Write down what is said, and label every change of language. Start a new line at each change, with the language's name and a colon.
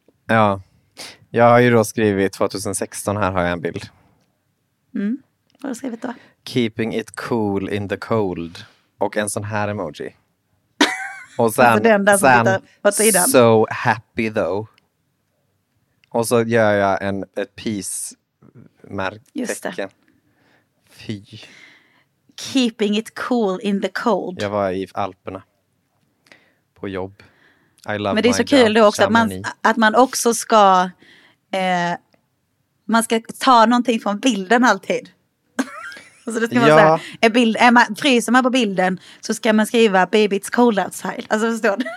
Swedish: Ja, jag har ju då skrivit 2016, här har jag en bild. Vad har du skrivit då?
English: Keeping it cool in the cold.
Swedish: Och en sån här emoji. Och sen, alltså den där som
English: sen so happy though.
Swedish: Och så gör jag ett peace-märktecken. Just det. Fy.
English: Keeping it cool in the cold.
Swedish: Jag var i Alperna. På jobb.
English: I love.
Swedish: Men det är så kul då också att man också ska... man ska ta någonting från bilden alltid. Alltså det ska man säga. Fryser man på bilden så ska man skriva
English: baby it's cold outside.
Swedish: Alltså förstår du?